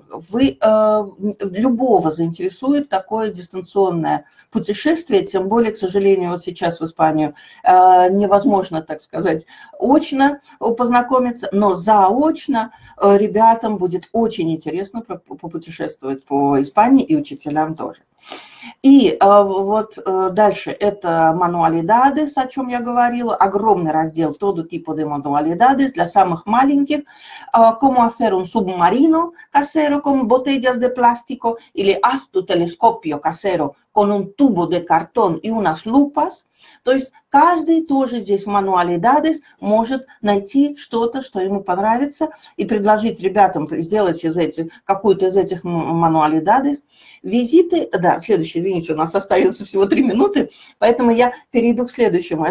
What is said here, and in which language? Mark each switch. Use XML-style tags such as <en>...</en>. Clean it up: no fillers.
<ru>Любого заинтересует такое дистанционное путешествие, тем более, к сожалению, вот сейчас в Испанию невозможно, так сказать, очно познакомиться, но заочно ребятам будет очень интересно попутешествовать по Испании и учителям тоже. И вот дальше это мануалидадес, о чем я говорила, огромный раздел</ru> <es>«Todo tipo de manualidades»</es> <ru>для самых маленьких,</ru> <es>«Cómo hacer un submarino casero con botellas de plástico»</es> <ru>или</ru> <es>«Haz tu telescopio casero con un tubo de cartón y unas lupas».</es> <ru>То есть каждый тоже здесь в мануалидадес может найти что-то, что ему понравится, и предложить ребятам сделать какую-то из этих мануалидадес. Визиты, да, следующий, извините, у нас остается всего 3 минуты, поэтому я перейду к следующему.</ru>